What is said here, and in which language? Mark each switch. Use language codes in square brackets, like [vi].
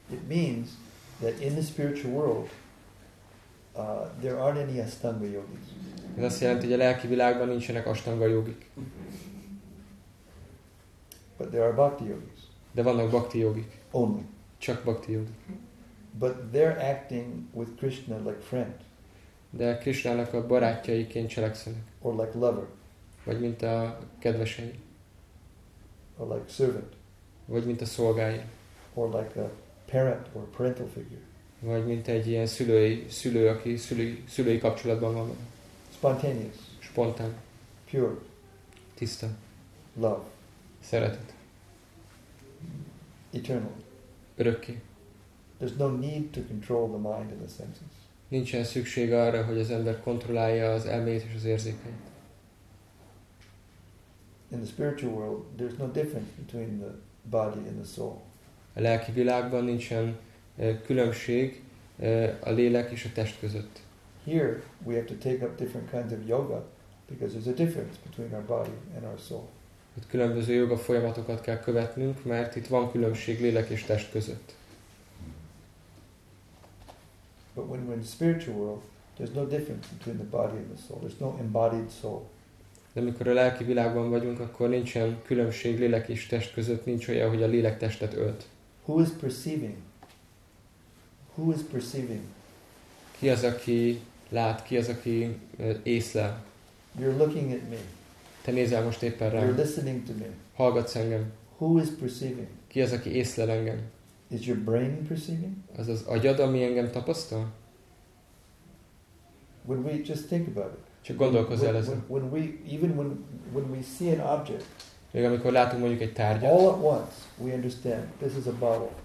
[en] It means that in the spiritual world there aren't any Ashtanga yogis. [hu] Ez azt jelenti, hogy a lelki világban nincsenek Ashtanga yogik. [en] But there are Bhakti yogis. [hu] De vannak Bhakti yogik. [en] Only. [hu] Csak Bhakti yogik. [en] But they're acting with Krishna like friend. [hu] De Krishnának a barátjaiként cselekszenek. [en] Or like lover. [hu] Vagy mint a kedvesei. [en] Or like servant. [hu] Vagy mint a szolgái. [en] Or like a parent or parental figure. [hu] Vagy mint egy ilyen szülő, aki szülői kapcsolatban van. [en] Spontaneous. [hu] Spontán. [en] Pure. [hu] Tiszta. [en] Love. [hu] Szeretet. [en] Eternal. [hu] Örökké. [en] There's no need to control the mind and the senses. [hu] Nincsen szükség arra, hogy az ember kontrollálja az elmét és az érzékeit. [en] In the spiritual world, there's no difference between the body and the soul. [hu] A lelki világban nincsen különbség a lélek és a test között. [en] Here we have to take up different kinds of yoga because there's a difference between our body and our soul. [hu] Itt különböző joga folyamatokat kell követnünk, mert itt van különbség lélek és test között. [en] But when we're in the spiritual world, there's no difference between the body and the soul. There's no embodied soul. [hu] De amikor a lelki világban vagyunk, akkor nincsen különbség lélek és test között, nincs olyan, hogy a lélek testet ölt. [en] Who is perceiving? Who is perceiving? [hu] Ki az, aki lát, ki az, aki észlel? [en] You're looking at me. [hu] Te nézel most éppen rám. [en] You're listening to me. [hu] Hallgatsz engem. [en] Who is perceiving? [hu] Ki az, aki észlel engem? [en] Is your brain perceiving? [hu] Az az agyad, ami engem tapasztal? [en] When we just think about it. [hu] Csak gondolkozz el ezen. [en] When we see an object. [hu] Még amikor látunk mondjuk egy tárgyat. [en] All at once we understand this is a bottle.